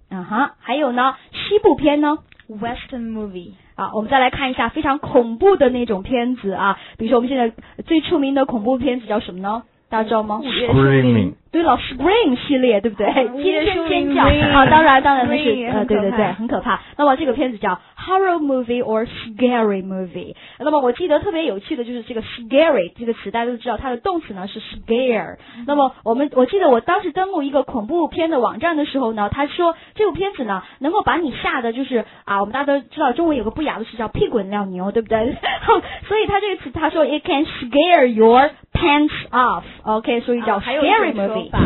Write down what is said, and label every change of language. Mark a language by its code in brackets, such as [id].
[zh] 嗯哼，还有呢，西部片呢 [en] ，western movie。 [zh] 啊，我们再来看一下非常恐怖的那种片子啊，比如说我们现在最出名的恐怖片子叫什么呢？大家知道吗 [en] ？Screaming。 [zh] 对了 ，Scream 系列，对不对？惊声尖叫啊，当然那是对对对，很可怕。那么这个片子叫 [en] Horror Movie or Scary Movie。 [zh] 那么我记得特别有趣的就是这个 Scary 这个词，大家都知道它的动词呢是 Scare。那么我记得我当时登录一个恐怖片的网站的时候呢，他说这部片子呢能够把你吓得就是我们大家都知道中文有个不雅的词叫屁滚尿流，对不对？所以他这个词他说 [en] It can scare your pants off。 [zh] OK， 所以叫 Scary Movie。